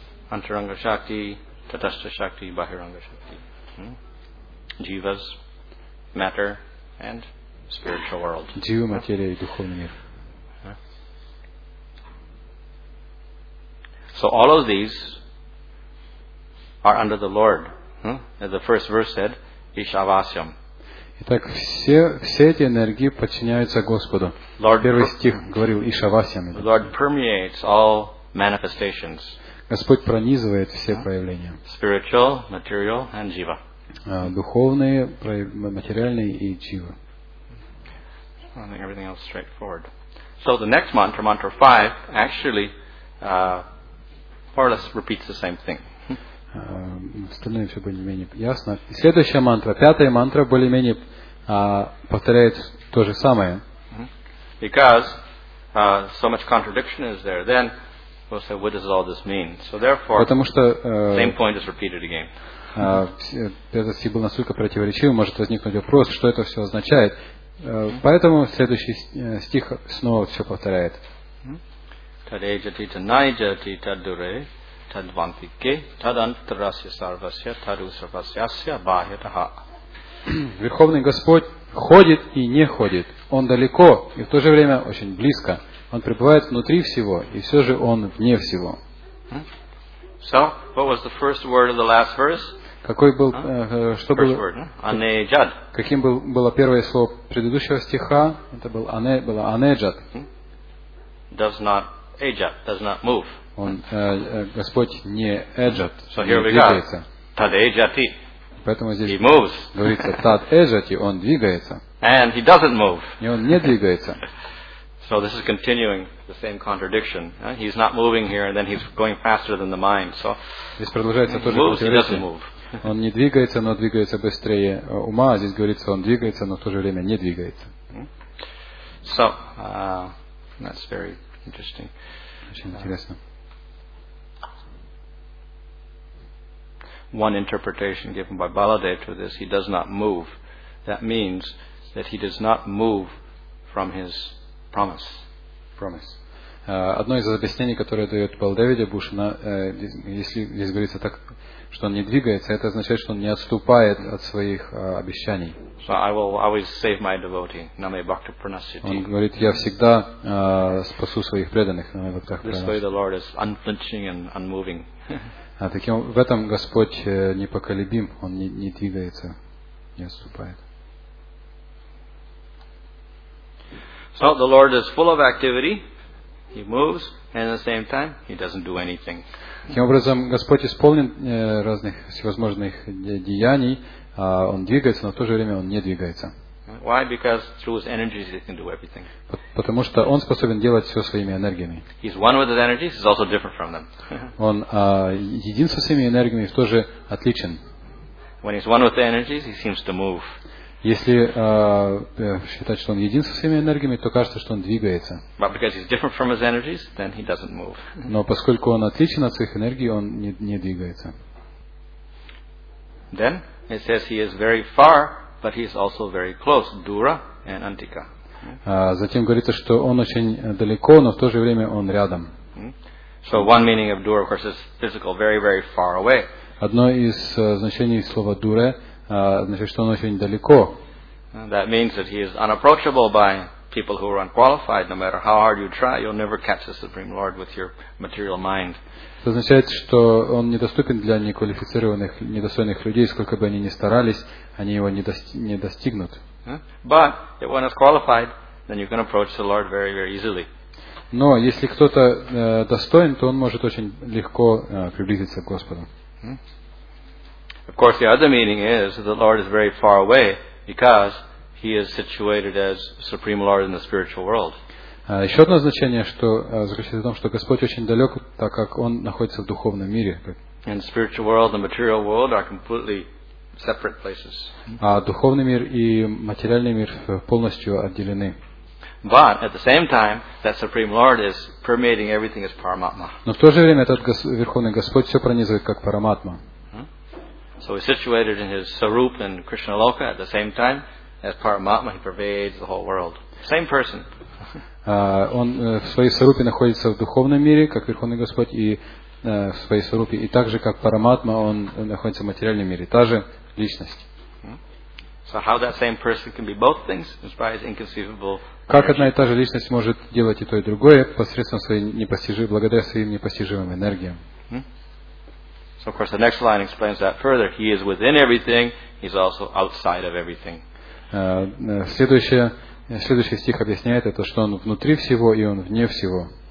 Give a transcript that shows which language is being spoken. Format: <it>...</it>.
<sa>Antaranga shakti, tatastha shakti, bahiranga shakti.</sa> <en>Jivas, matter. And spiritual world.</en> <ru>Дива, материя и духовный мир.</ru> <en>So all of these are under the Lord. As the first verse said, Ishavasyam.</en> <ru>Итак, все эти энергии подчиняются Господу. Первый стих говорил Ишавасьям.</ru> <en>Lord permeates all manifestations.</en> <ru>Господь пронизывает все проявления.</ru> <en>Spiritual, material and jiva.</en> <ru>Духовные, материальные и джива.</ru> <en>I think everything else is straightforward. So the next mantra, mantra 5, actually more or less repeats the same thing.</en> <ru>Остальное все более-менее ясно. Следующая мантра, пятая мантра, более-менее повторяет то же самое.</ru> <en>Because so much contradiction is there, then we'll say, what does all this mean? So therefore,</en> <ru>потому что,</ru> <en>same point is repeated again.</en> <ru>Этот стих был настолько противоречив, может возникнуть вопрос, что это все означает. Поэтому следующий стих снова все повторяет.</ru> <sa>Тадэджати танайджати тадуре тадвантике тадантрасья сарвасья таду сарвасьясья бахитаха.</sa> <ru>Верховный Господь ходит и не ходит. Он далеко и в то же время очень близко. Он пребывает внутри всего и все же он вне всего.</ru> <en>So, what was the first word of the last verse?</en> <ru>Какой был, что было,</ru> <en>word, Анеджад.</en> <ru>Каким было первое слово предыдущего стиха? Это было Анеджад.</ru> <en>Does not Эджад, does not move.</en> <ru>Он, Господь не Эджад.</ru> <en>So here we go. Тад Эджати.</en> <ru>Поэтому здесь говорится Тад Эджати, он двигается.</ru> <en>And he doesn't move.</en> <ru>И он не двигается.</ru> <en>So this is continuing the same contradiction. He's not moving here, and then he's going faster than the mind. So</en> <ru>здесь продолжается то же противоречие.</ru> <en>He doesn't move.</en> <ru>Он не двигается, но двигается быстрее ума. Здесь говорится, он двигается, но в то же время не двигается.</ru> <en>So, that's very interesting.</en> <ru>Очень интересно.</ru> <en>One interpretation given by Baladev to this, he does not move. That means that he does not move from his promise. Promise.</en> <ru>Одно из объяснений, которое дает Баладев Бушина, если здесь говорится так, что он не двигается, это означает, что он не отступает от своих обещаний.</ru> <en>So I will always save my devotee,</en> <sa>Namay Bhakta Pranasiti.</sa> <ru>Он говорит, я всегда спасу своих преданных.</ru> <en>This way the Lord is unflinching and unmoving.</en> <ru>Таким, в этом Господь непоколебим, он не двигается, не отступает.</ru> <en>So the Lord is full of activity. He moves, and at the same time, he doesn't do anything.</en> <ru>Таким образом, Господь исполнен разных всевозможных деяний, он двигается, но в то же время он не двигается.</ru> <en>Why? Because through his energies he can do everything.</en> <ru>Потому что он способен делать все своими энергиями.</ru> <en>He's one with his energies, he's also different from them.</en> <ru>Он един со своими энергиями, тоже отличен.</ru> <en>When he's one with the energies, he seems to move.</en> <ru>Если считать, что он един со своими энергиями, то кажется, что он двигается.</ru> <en>But because he's different from his energies, then he doesn't move.</en> <ru>Но поскольку он отличен от своих энергий, он не двигается.</ru> <en>Then it says he is very far, but he is also very close. Dura and Antika.</en> <ru>Затем говорится, что он очень далеко, но в то же время он рядом.</ru> <en>So one meaning of dura, of course, is physical, very, very far away.</en> <ru>Одно из значений слова дура значит, что он очень далеко.</ru> <en>That means that he is unapproachable by people who are unqualified. No matter how hard you try, you'll never catch the Supreme Lord with your material mind.</en> <ru>Это означает, что он недоступен для неквалифицированных, недостойных людей, сколько бы они ни старались, они его не достигнут.</ru> <en>But if one is qualified, then you can approach the Lord very, very easily.</en> <ru>Но если кто-то достоин, то он может очень легко приблизиться к Господу.</ru> <en>Of course, the other meaning is that the Lord is very far away because He is situated as Supreme Lord in the spiritual world.</en> <ru>Еще одно значение, что заключается в том, что Господь очень далек, так как Он находится в духовном мире.</ru> <en>And spiritual world and material world are completely separate places.</en> <ru>А духовный мир и материальный мир полностью отделены.</ru> <en>But at the same time, that Supreme Lord is permeating everything as Paramatma.</en> <ru>Но в то же время этот Верховный Господь все пронизывает как Параматма.</ru> <en>So he's situated in his Sarup and Krishna Loka at the same time as Paramatma, he pervades the whole world. Same person.</en> <ru>Он в своей Сарупе находится в духовном мире, как Верховный Господь, и в своей Сарупе, и также как Параматма, он находится в материальном мире, та же личность.</ru> <en>So how that same person can be both things is probably inconceivable.</en> <ru>Как одна и та же личность может делать и то, и другое посредством своей непостижимой, благодаря своим непостижимым энергиям?</ru> <en>So, of course, the next line explains that further. He is within everything. He's also outside of everything.</en> <ru>Следующий стих объясняет это, что он внутри всего и он вне всего.</ru>